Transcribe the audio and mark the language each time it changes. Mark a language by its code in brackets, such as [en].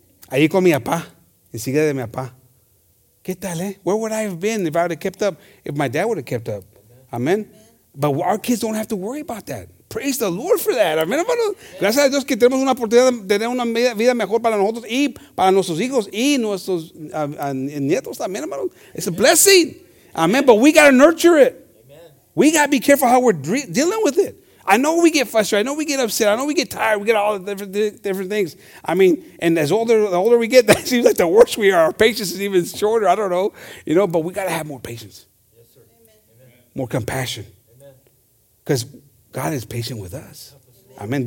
[es] Ahí con mi papá, en silla de mi papá. ¿Qué tal, eh? [en] Where would I have been if I would have kept up, if my dad would have kept up? Amen. But our kids don't have to worry about that. Praise the Lord for that. Amen. [es] Gracias a Dios que tenemos una oportunidad de tener una vida mejor para nosotros y para nuestros hijos y nuestros nietos también, hermano. [en] It's a blessing. Amen. But we got to nurture it. Amen. We got to be careful how we're dealing with it. I know we get frustrated. I know we get upset. I know we get tired. We get all the different things. I mean, and the older we get, that seems like the worse we are. Our patience is even shorter. I don't know. You know, but we got to have more patience. Yes, sir. Amen. More compassion. Because God is patient with us. Amen.